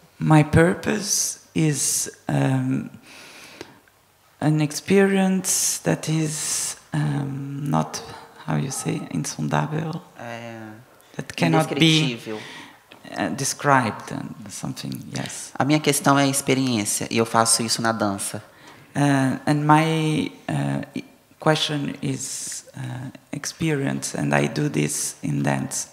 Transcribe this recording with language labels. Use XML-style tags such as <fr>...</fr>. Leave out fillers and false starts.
<en>My purpose is an experience that is not, how you say, insondável, that cannot be described, something, yes.</en> <pt>A minha questão é a experiência, e eu faço isso na dança.</pt> <en>And my question is experience, and I do this in dance.</en>